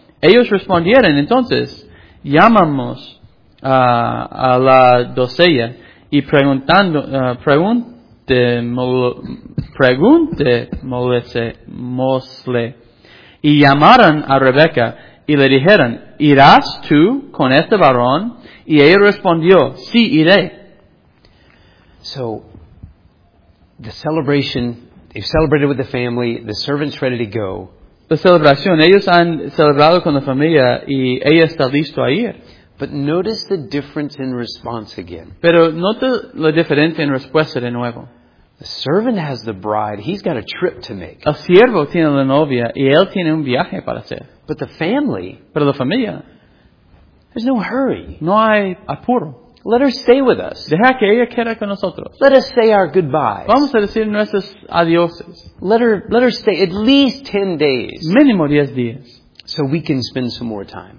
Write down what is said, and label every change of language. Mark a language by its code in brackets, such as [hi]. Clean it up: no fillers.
[es] Ellos respondieron, entonces, llamamos a la doncella y preguntémosle. Y llamaron a Rebeca y le dijeron, ¿irás tú con este varón? Y ella respondió, sí, iré. [en] So, the celebration, they've celebrated with the family, the servant's ready to go. [es] La celebración, ellos han celebrado con la familia y ella está listo a ir. [en] But notice the difference in response again. [es] Pero nota la diferencia en respuesta de nuevo. [en] The servant has the bride. He's got a trip to make. [es] El siervo tiene la novia y él tiene un viaje para hacer. [en] But the family. [es] Pero la familia. [en] There's no hurry. [es] No hay apuro. [en] Let her stay with us. [es] Deja que ella quede con nosotros. [en] Let us say our goodbyes. [es] Vamos a decir nuestros adioses. [en] Let her stay at least 10 days. [es] Mínimo 10 días. [en] So we can spend some more time.